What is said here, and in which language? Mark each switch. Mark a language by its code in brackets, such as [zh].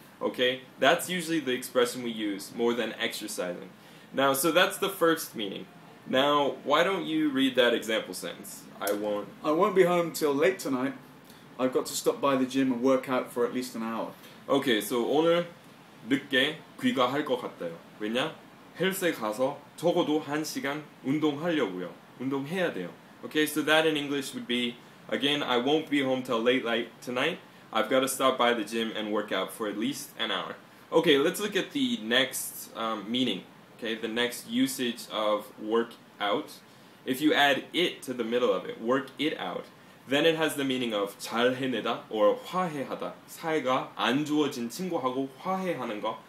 [en] Okay, that's usually the expression we use more than exercising. Now, so that's the first meaning. Now, why don't you read that example sentence? I won't be home till late tonight. I've got to stop by the gym and work out for at least an hour. Okay, so [ko] 오늘 늦게 귀가할 것 같아요. 왜냐? 헬스에 가서 적어도 한 시간 운동하려고요. 운동해야 돼요. [en] Okay, so that in English would be, again, I won't be home till late night tonight. I've got to stop by the gym and work out for at least an hour. Okay, let's look at the next meaning. Okay, the next usage of work out. If you add it to the middle of it, work it out, then it has the meaning of [ko] 잘 해내다 [en] or [ko] 화해하다. 사이가 안 좋아진 친구하고 화해하는 거.